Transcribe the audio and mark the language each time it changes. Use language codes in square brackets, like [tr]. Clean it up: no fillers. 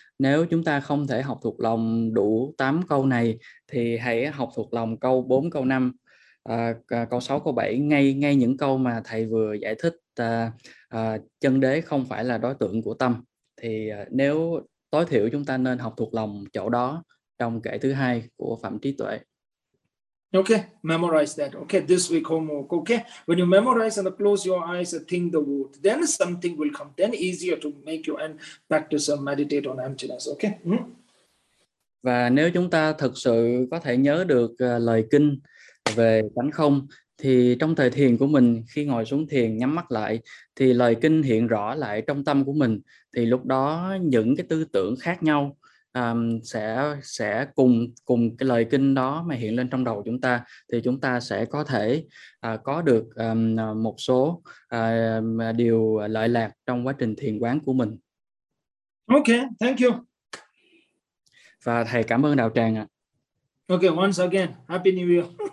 [vi] Nếu chúng ta không thể học thuộc lòng đủ 8 câu này thì hãy học thuộc lòng câu 4, câu 5, câu 6, câu 7, ngay những câu mà thầy vừa giải thích. Chân đế không phải là đối tượng của tâm, thì nếu tối thiểu chúng ta nên học thuộc lòng chỗ đó trong kệ thứ hai của phẩm trí tuệ. [en] Okay, memorize that. Okay, this week homework. Okay, when you memorize and close your eyes and think the word, then something will come. Then easier to make you and practice and meditate on emptiness. Okay. Mm? [vi] Và nếu chúng ta thực sự có thể nhớ được lời kinh về tánh không, thì trong thời thiền của mình, khi ngồi xuống thiền nhắm mắt lại, thì lời kinh hiện rõ lại trong tâm của mình, thì lúc đó những cái tư tưởng khác nhau sẽ cùng cái lời kinh đó mà hiện lên trong đầu chúng ta, thì chúng ta sẽ có thể có được một số điều lợi lạc trong quá trình thiền quán của mình. [en] Okay, thank you. [vi] Và thầy cảm ơn đạo tràng ạ. [en] Okay, once again, happy new year.